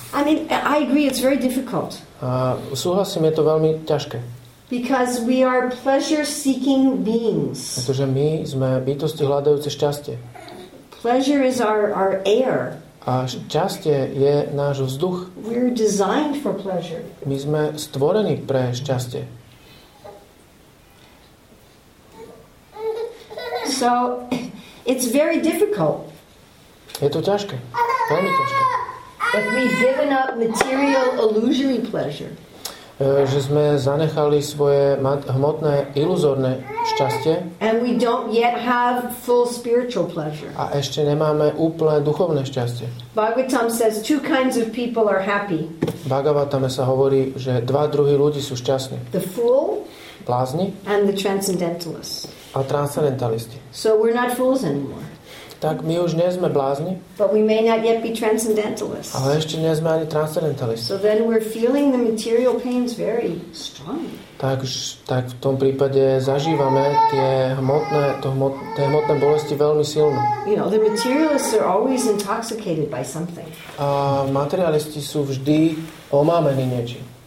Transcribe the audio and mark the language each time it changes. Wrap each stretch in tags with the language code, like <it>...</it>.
<en>I mean, I agree, it's very difficult.</en> <sk>Súhlasím, je to veľmi ťažké.</sk> <en>Because we are pleasure-seeking beings.</en> <sk>Pretože my sme bytosti hľadajúce šťastie.</sk> <en>Pleasure is our air.</en> <sk>A šťastie je náš vzduch.</sk> <en>We're designed for pleasure.</en> <sk>My sme stvorení pre šťastie.</sk> <en>So, it's very difficult.</en> <sk>Je to ťažké. Veľmi ťažké.</sk> <en>If we've given up material illusory pleasure.</en> <sk>Že sme zanechali svoje hmotné iluzorné šťastie.</sk> <en>And we don't yet have full spiritual pleasure.</en> <sk>A ešte nemáme úplne duchovné šťastie.</sk> <en>Bhagavatam says two kinds of people are happy.</en> <sk>Bhagavatame sa hovorí, že dva druhy ľudí sú šťastní.</sk> <en>The fool.</en> <sk>Blázni.</sk> <en>And the transcendentalist.</en> <sk>A transcendentalisti.</sk> <en>So we're not fools anymore.</en> <sk>Tak my už nie sme blázni.</sk> <en>But we may not yet be transcendentalists.</en> <sk>Ale ešte nie sme ani transcendentalisti.</sk> <en>So then we're feeling the material pains very strongly.</en> <sk>Tak v tom prípade zažívame tie hmotné bolesti veľmi silno.</sk> <en>You know, the materialists are always intoxicated by something.</en> <sk>A materialisti sú vždy omámení niečím.</sk>